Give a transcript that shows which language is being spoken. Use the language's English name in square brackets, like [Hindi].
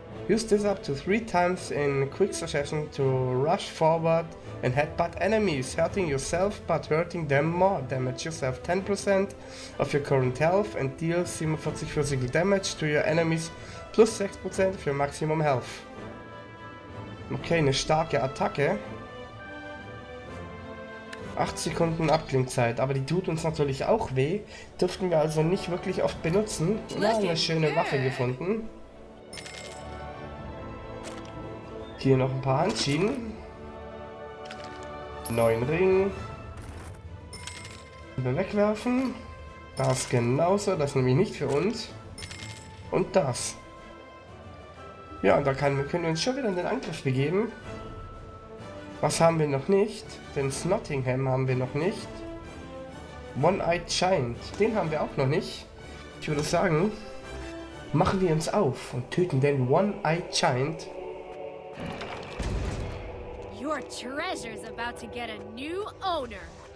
[English] Use this up to 3 times in quick succession to rush forward and headbutt enemies, hurting yourself but hurting them more. Damage yourself 10% of your current health and deal 47 physical damage to your enemies plus 6% of your maximum health. [German] Okay, eine starke Attacke. 8 Sekunden Abklingzeit, aber die tut uns natürlich auch weh. Dürften wir also nicht wirklich oft benutzen. Ja, eine schöne Waffe gefunden. Hier noch ein paar Handschienen. 9 Ring. Wegwerfen. Das genauso, das nehme ich nicht für uns. Und das. Ja, und da können wir uns schon wieder in den Angriff begeben. Was haben wir noch nicht? Den Snottingham haben wir noch nicht. One-Eyed Giant, den haben wir auch noch nicht. Ich würde sagen, machen wir uns auf und töten den One-Eyed Giant. [English] Your treasure's about to get a new owner.